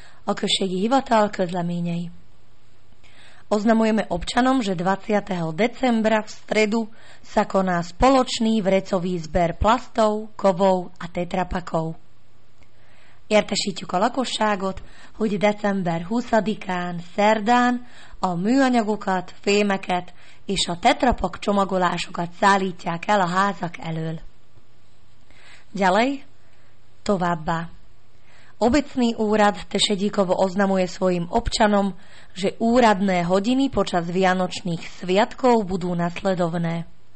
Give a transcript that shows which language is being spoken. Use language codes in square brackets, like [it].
[hu] Okršegi hivatal közleményei. [sk] Oznamujeme občanom, že 20. decembra v stredu sa koná spoločný vrecový zber plastov, kovov a tetrapakov. [hu] Értesítjük a lakosságot, hogy december 20-án szerdán a műanyagokat, fémeket és a tetrapak csomagolásokat szállítják el a házak elől. [sk] Ďalej, [hu] továbbá. [sk] Obecný úrad Tešedíkovo oznamuje svojim občanom, že úradné hodiny počas vianočných sviatkov budú nasledovné.